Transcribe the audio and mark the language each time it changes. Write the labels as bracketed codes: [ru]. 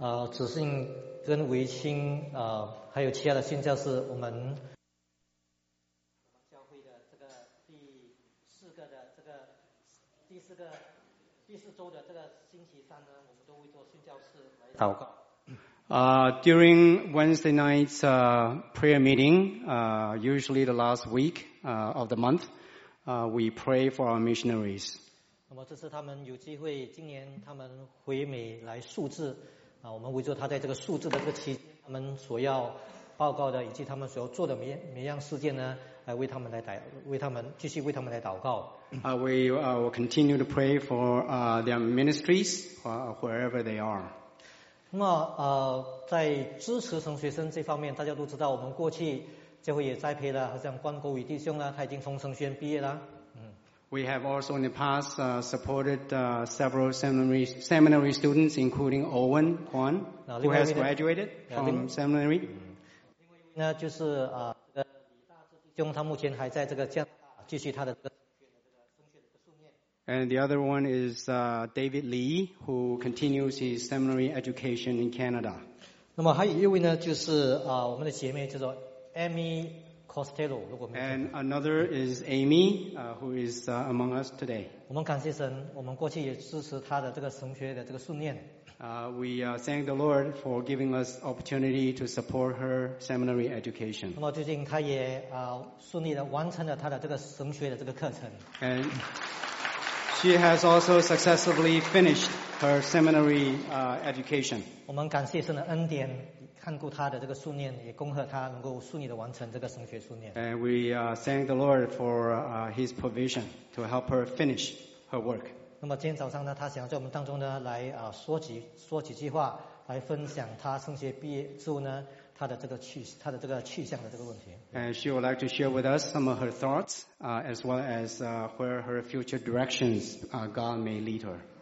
[zh] 子信跟维清还有其他的宣教士，我们教会的这个第四个的这个第四个第四周的这个星期三呢，我们都会做宣教士来祷告。 [en] During Wednesday night's prayer meeting, usually the last week of the month, we pray for our missionaries. [zh] 那么这是他们有机会今年他们回美来述职。我们围着他在这个数字的这个期间，他们所要报告的以及他们所要做的每样事件呢，来为他们来继续为他们来祷告。 [en] We will continue to pray for their ministries wherever they are. [zh] 那么在支持神学生这方面，大家都知道，我们过去教会也栽培了，好像关国宇弟兄啊，他已经从神学院毕业了。 [en] We have also in the past supported several seminary students, including Owen Kwan, who has graduated from seminary. [zh] 另外一位呢，就是李大志弟兄，他目前还在这个加拿大继续他的这个神学的训练。 [en] And the other one is David Lee, who continues his seminary education in Canada. [zh] 那么还有一位呢，就是我们的姐妹叫做 Amy。 Costello, 如果没有 [en] And another is Amy, who is among us today. [zh] 我们感谢神，我们过去也支持他的这个神学的这个训练。 [en] We thank the Lord for giving us opportunity to support her seminary education. [zh] 那么最近他也顺利的完成了他的这个神学的这个课程。 [en] And she has also successfully finished her seminary education. [zh] 我们感谢神的恩典。看顾他的这个训练，也恭贺他能够顺利的完成这个神学训练。 [en] And we thank the Lord for His provision to help her finish her work. [zh] 那么今天早上呢，他想在我们当中呢来说几句话，来分享他神学毕业之后呢他的这个去向的这个问题。 [en] And she would like to share with us some of her thoughts, as well as where her future directions God may lead her.